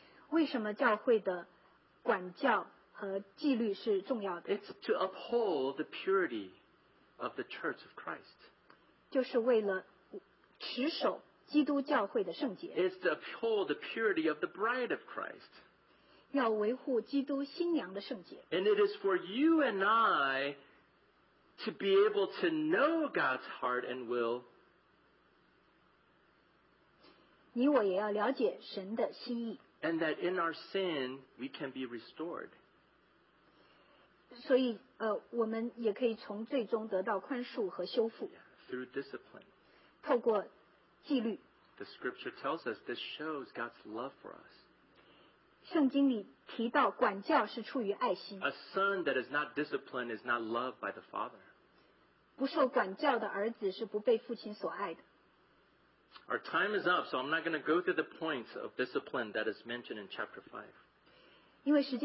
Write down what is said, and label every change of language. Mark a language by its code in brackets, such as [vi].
[zh] 为什么教会的管教和纪律是重要的? [en] It's to uphold the purity of the church of Christ. [zh] 就是为了持守 [en] is to uphold the purity of the bride of Christ. And it is for you and I to be able to know God's heart and will. [zh] 你我也要了解神的心意。 [en] And that in our sin, we can be restored. [zh] 所以, 我们也可以从最终得到宽恕和修复。 [en] Yeah, through discipline. [zh] 透过纪律。 [en] The scripture tells us this shows God's love for us. [zh] 圣经里提到管教是出于爱心。 [en] A son that is not disciplined is not loved by the father. [zh] 不受管教的儿子是不被父亲所爱的。 [en] Our time is up, so I'm not going to go through the points of discipline that is mentioned in chapter 5.